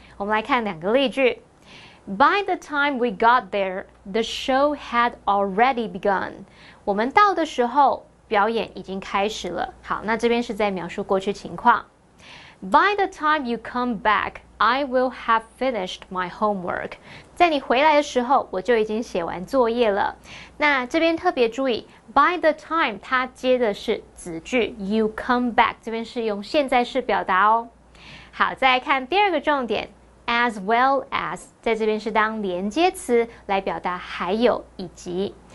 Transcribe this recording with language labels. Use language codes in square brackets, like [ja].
[zh] 我们来看两个例句 [en] ：By the time we got there, the show had already begun。 [zh] 我们到的时候，表演已经开始了。好，那这边是在描述过去情况。 [en] By the time you come back, I will have finished my homework. [zh] 在你回来的时候，我就已经写完作业了。那这边特别注意 ，by the time 它接的是子句 ， [en] you come back [zh] 这边是用现在式表达哦。好，再来看第二个重点 ，as well as 在这边是当连接词来表达还有以及。